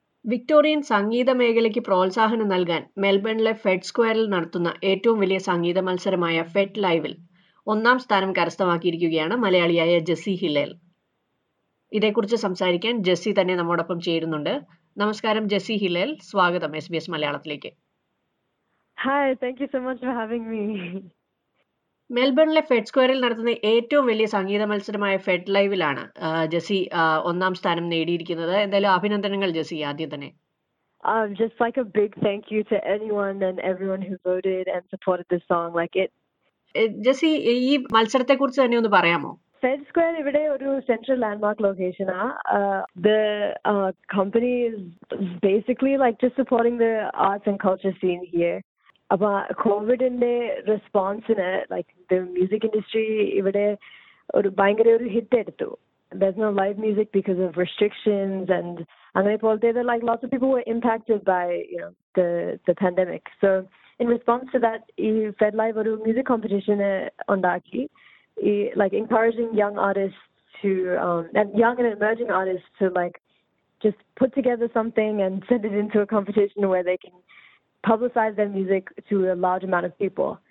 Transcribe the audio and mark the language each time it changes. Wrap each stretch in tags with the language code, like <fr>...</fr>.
<ml>Victorian സംഗീത മേഖലയ്ക്ക് പ്രോത്സാഹനം നൽകാൻ മെൽബണിലെ ഫെഡ് സ്ക്വയറിൽ നടത്തുന്ന ഏറ്റവും വലിയ സംഗീത മത്സരമായ ഫെഡ് ലൈവിൽ ഒന്നാം സ്ഥാനം കരസ്ഥമാക്കിയിരിക്കുകയാണ് മലയാളിയായ ജെസ്സി ഹില്ലേൽ. ഇതേക്കുറിച്ച് സംസാരിക്കാൻ ജെസ്സി തന്നെ നമ്മോടൊപ്പം ചേരുന്നുണ്ട്. നമസ്കാരം ജെസ്സി ഹില്ലേൽ, സ്വാഗതം SBS മലയാളത്തിലേക്ക്.</ml> <en>Hi, thank you so much for having me.</en> <ml>മെൽബണിലെ fed സ്ക്വയറിൽ നടത്തുന്ന ഏറ്റവും വലിയ സംഗീത മത്സരമായ ഫെഡ് ലൈവിലാണ് ജെസ്സി ഒന്നാം സ്ഥാനം നേടിയിരിക്കുന്നത്. എന്തായാലും അഭിനന്ദനങ്ങൾ ജെസ്സി ആദ്യം തന്നെ.</ml> <en>Just like a big thank you to anyone and everyone who voted and supported this song. Like it.</en> <ml>Jessy, ഈ മത്സരത്തെ കുറിച്ച് തന്നെ ഒന്ന് പറയാമോ? Fed Square ഇവിടെ ഒരു സെൻട്രൽ ലാൻഡ്മാർക്ക് ലൊക്കേഷൻ ആണ്.</ml> <en>The company is basically like just supporting the arts and culture scene here.</en> <ml>അപ്പൊ കോവിഡിന്റെ റെസ്പോൺസിന്</ml> <en>like the music industry</en> <ml>ഇവിടെ ഒരു ഭയങ്കര ഒരു ഹിറ്റ് എടുത്തു.</ml> <en>There's no live music because of restrictions and</en> <ml>അങ്ങനെ പോലത്തെ</ml> <en>like lots of people were impacted by you know the pandemic. So in response to that,</en> <ml>ഈ ഫെഡ് ലൈവ് ഒരു music competition ഉണ്ടാക്കി, ഈ like encouraging young artist to</ml> <en>and young and emerging artists to like just put together something and send it into a competition where they can publicize their music to a large amount of people.</en>